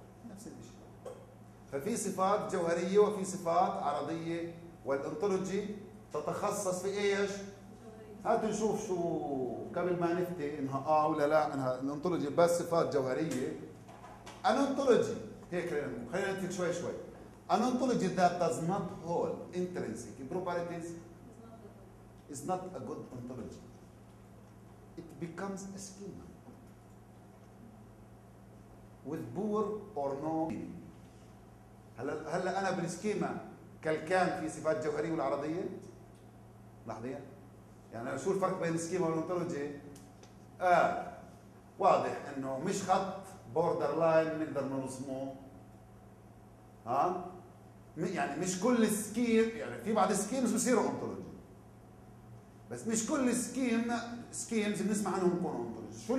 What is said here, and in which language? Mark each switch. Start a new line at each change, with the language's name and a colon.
Arabic: نفس الشيء. ففي صفات جوهرية وفي صفات عرضية، والانطولوجي تتخصص في ايش؟ هات نشوف شو قبل ما نفتي انها اه ولا لا، انها الانطولوجي بس صفات جوهرية. Anontology هيك خلينا نتفق شوي.
English: Anontology that does not hold intrinsic properties is not a good ontology. It becomes a schema with poor or no meaning.
Arabic: هلا أنا بالسكيما كالكان في صفات جوهرية والعرضية؟ لحظية، يعني شو الفرق بين السكيما والأنتولوجي؟ آه واضح إنه مش خط بوردر لاين نقدر نرسمه، ها؟ يعني مش كل سكيم، يعني في بعض سكيمز بصيروا انطولوجي، بس مش كل سكيمز بنسمع عنهم بكونوا انطولوجي.